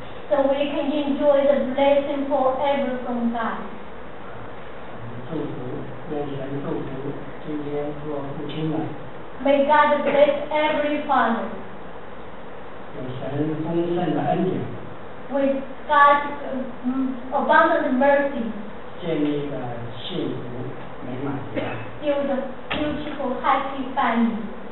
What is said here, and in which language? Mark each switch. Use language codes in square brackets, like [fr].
[en] So we can enjoy the blessing forever from God. [zh] 祝福，愿神祝福今天做父亲们。 [en] May God bless every father. [zh] 有神丰盛的恩典。 [en] With God's abundant mercy. [zh] 建立一个幸福美满的家。 [en] Build a beautiful happy family.